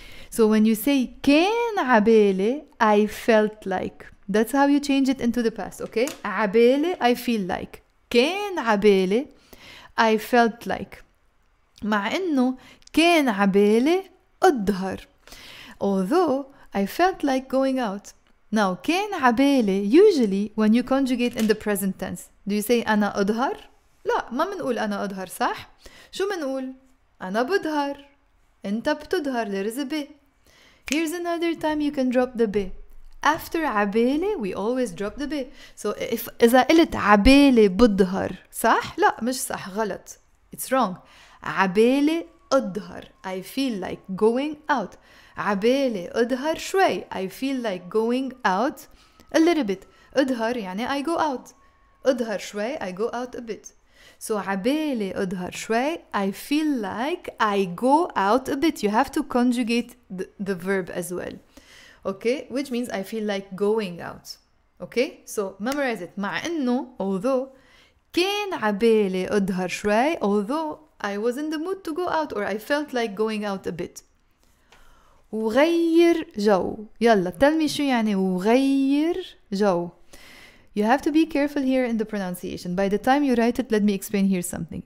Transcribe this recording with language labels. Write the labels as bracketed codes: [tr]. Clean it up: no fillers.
[en] So when you say [ar] كان عبالي, [en] I felt like. That's how you change it into the past, okay? عبالي, I feel like. [ar] كان عبالي, [en] I felt like. [ar] مع انه كان عبالي اظهر. [en] Although, I felt like going out. [ar] Now, كان عبالي, [en] usually when you conjugate in the present tense, do you say [ar] أنا أظهر؟ لا, ما منقول أنا أظهر, صح؟ شو منقول؟ أنا بظهر, أنت بتظهر, [en] there is a [ar] بي. [en] Here's another time you can drop the بي. After عبالي, we always drop the بي. [ar] So, إذا قلت عبالي بظهر, صح؟ لا, مش صح, غلط. [en] It's wrong. [ar] عبالي أظهر, [en] I feel like going out. [ar] عبالي أظهر شوي, [en] I feel like going out a little bit. [ar] أظهر يعني [en] I go out. [ar] أظهر شوي, [en] I go out a bit. So [ar] عبالي أظهر شوي, [en] I feel like I go out a bit. You have to conjugate the verb as well. Okay, which means I feel like going out. Okay, so memorize it. [ar] مع إنه, [en] although, [ar] كان عبالي أظهر شوي, [en] although I was in the mood to go out or I felt like going out a bit. [ar] وغير جو. يلا, [en] tell me [ar] شو يعني وغير جو. [en] You have to be careful here in the pronunciation. By the time you write it, let me explain here something.